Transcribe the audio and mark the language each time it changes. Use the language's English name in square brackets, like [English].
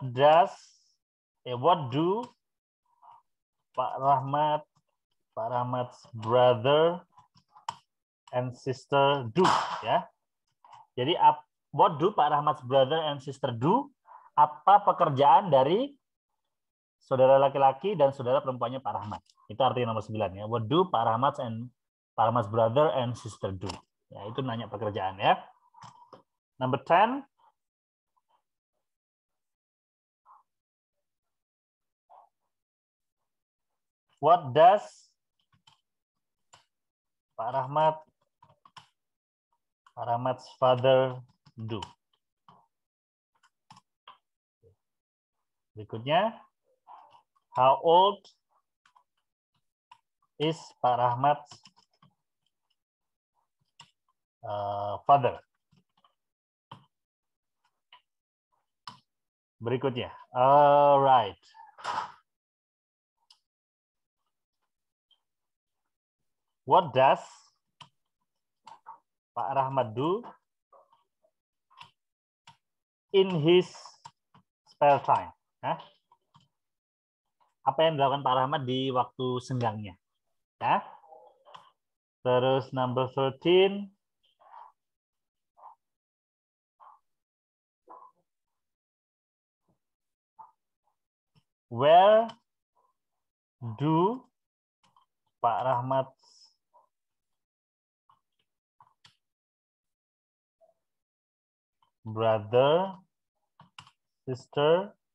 [English] What do Pak Rahmat's brother and sister do? Ya. [Indonesian] Jadi [English] what do Pak Rahmat's brother and sister do? [Indonesian] Apa pekerjaan dari saudara laki-laki dan saudara perempuannya Pak Rahmat? Itu artinya nomor 9 ya. [English] What do Pak Rahmat and Pak Rahmat's brother and sister do? [Indonesian] Ya, itu nanya pekerjaan ya. [English] Number 10. What does Pak Rahmat's father do? [Indonesian] Berikutnya, [English] how old is Pak Rahmat's father? [Indonesian] Berikutnya. [English] Alright. What does Pak Rahmat do in his spare time? Huh? [Indonesian] Apa yang dilakukan Pak Rahmat di waktu senggangnya? Ya. Terus [English] number 13. Where do Pak Rahmat's brother, sister,